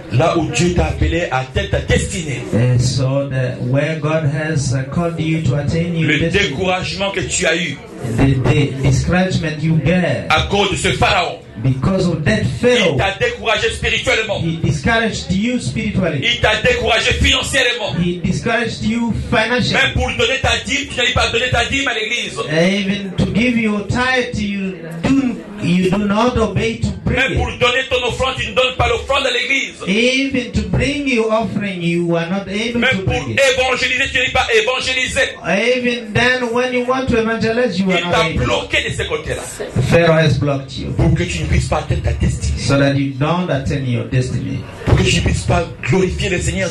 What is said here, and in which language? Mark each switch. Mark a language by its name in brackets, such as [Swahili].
[French] Là où Dieu t'a appelé à atteindre ta destinée. [English] So where God has called you to attain your destiny. [French] Le découragement que tu as eu. [English] The discouragement you get. [French] À cause de ce pharaon. [English] Because of that Pharaoh. [French] Il t'a découragé spirituellement. [English] He discouraged you spiritually. [French] Il t'a découragé financièrement. [English] He discouraged you financially. [French] Même pour donner ta dîme, tu n'allais pas donner ta dîme à l'église. [English] Even to give your tithe, you didn't you do not obey to pray. [French] Même pour donner ton offrande, tu ne donnes pas l'offrande à l'église. [English] Even to bring your offering, you are not able [French] Même [English] to bring [French] pour [English] it. [French] Évangéliser, tu n'es pas évangélisé. [English] Even then, when you want to evangelize, you [French] Il [English] are not able. [French] Il t'a bloqué de ce côté-là. [English] Pharaoh has blocked you. [French] Pour que tu ne puisses pas atteindre ta destinée. [English] So that you don't attain your destiny. [French] Pour que tu ne puisses pas glorifier le Seigneur